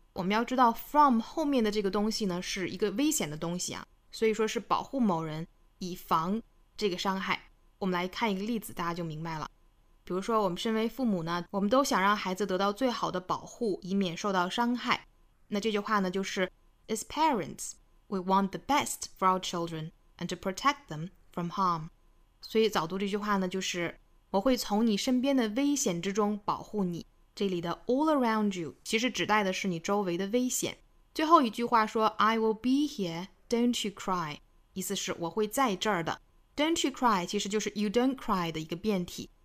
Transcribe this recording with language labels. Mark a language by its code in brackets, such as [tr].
[zh] 我们要知道 from 后面的这个东西呢是一个危险的东西啊，所以说是保护某人以防这个伤害。我们来看一个例子大家就明白了。比如说我们身为父母呢，我们都想让孩子得到最好的保护以免受到伤害。那这句话呢就是 [en] As parents, we want the best for our children and to protect them from harm. [zh] 所以早读这句话呢就是我会从你身边的危险之中保护你。这里的 [en] all around you [zh] 其实指代的是你周围的危险。最后一句话说 [en] I will be here, don't you cry. [zh] 意思是我会在这儿的。 [en] Don't you cry [zh] 其实就是 [en] you don't cry [zh] 的一个变体。